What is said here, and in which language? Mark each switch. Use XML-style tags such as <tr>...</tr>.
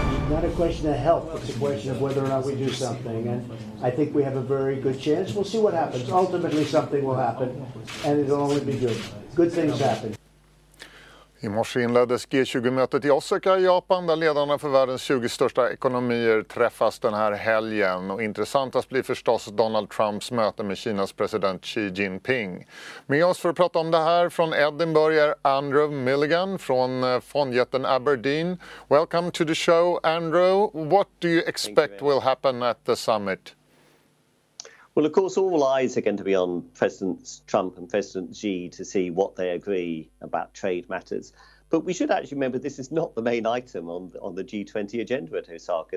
<en>Not a question of health, it's a question of whether or not we do something. And I think we have a very good chance. We'll see what happens. Ultimately something will happen and it'll only be good. Good things happen.</en> <sv>I morse inleddes G20-mötet i Osaka i Japan, där ledarna för världens 20 största ekonomier träffas den här helgen. Och intressantast blir förstås Donald Trumps möte med Kinas president Xi Jinping. Med oss för att prata om det här från Edinburgh är Andrew Milligan från fondjätten Aberdeen.</sv> <en>Welcome to the show, Andrew. What do you expect will happen at the summit? Well, of course, all eyes are going to be on President Trump and President Xi to see what they agree about trade matters. But we should actually remember this is not the main item on the G20 agenda at Osaka.</en>